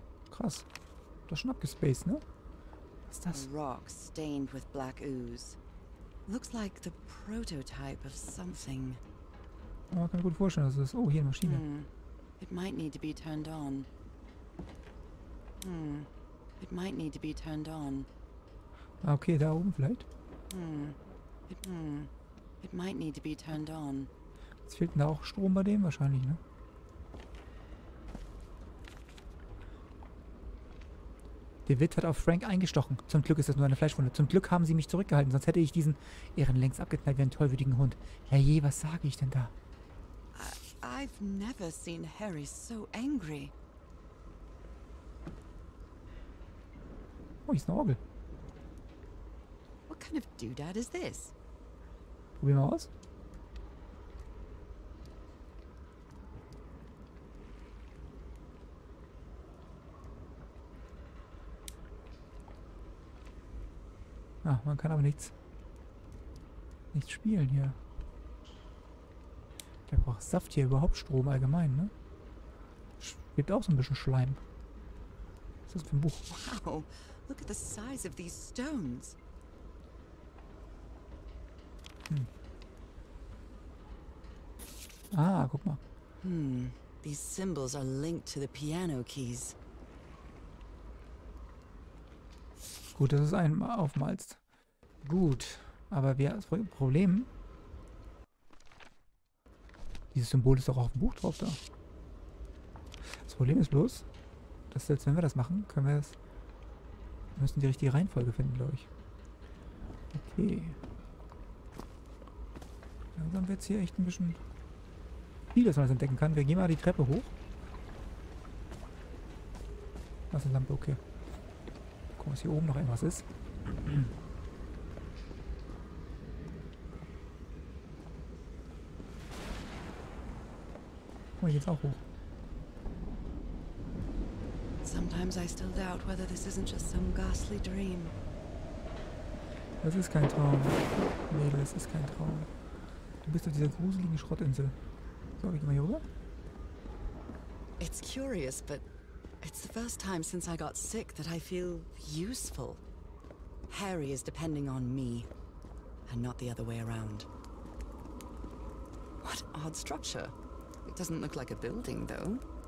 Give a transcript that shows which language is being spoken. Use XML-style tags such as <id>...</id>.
<de>Krass. Das ist schon abgespaced, ne? Was ist das?</de> <en>A rock stained with black ooze. Looks like the prototype of something.</en> <de>Oh, kann ich mir gut vorstellen, dass es ist. Oh, hier eine Maschine. Hm.</de> <en>It might need to be turned on. It might need to be turned on.</en> <de>Ah, okay, da oben vielleicht.</de> <en>It might need to be turned on.</en> <de>Jetzt fehlt da auch Strom bei dem wahrscheinlich, ne? DeWitt hat auf Frank eingestochen. Zum Glück ist das nur eine Fleischwunde. Zum Glück haben sie mich zurückgehalten, sonst hätte ich diesen Ehren längst abgeknallt wie einen tollwütigen Hund. Ja je, was sage ich denn da?</de> <en>I've never seen Harry so angry.</en> <de>Oh, hier ist eine Orgel.</de> <en>What kind of doodad is this?</en> <de>Probieren wir mal aus. Ah, man kann aber nichts spielen hier. Der braucht Saft hier überhaupt Strom allgemein, ne? Gibt auch so ein bisschen Schleim. Was ist das für ein Buch?</de> <en>Wow, look at the size of these stones. Hm.</en> <de>Ah, guck mal.</de> <en>Hmm, these symbols are linked to the piano keys.</en> <de>Gut, dass du es einmal aufmalst. Gut, aber wir haben ein Problem. Dieses Symbol ist doch auch auf dem Buch drauf da. Das Problem ist bloß, dass selbst wenn wir das machen, können wir es. Wir müssen die richtige Reihenfolge finden, glaube ich. Okay. Langsam wird es hier echt ein bisschen viel, dass man das entdecken kann. Wir gehen mal die Treppe hoch. Das ist eine Lampe, okay. Gucken, was hier oben noch irgendwas ist. komme ich jetzt auch hoch.</de> <en>Sometimes I still doubt whether this isn't just some ghastly dream.</en> <de>Das ist kein Traum. Mädel, das ist kein Traum. Du bist auf dieser gruseligen Schrottinsel. So, ich geh mal hier rüber.</de> <en>It's curious, but it's the first time since I got sick that I feel useful. Harry is depending on me and not the other way around. What odd structure. It doesn't look like a building though.</en>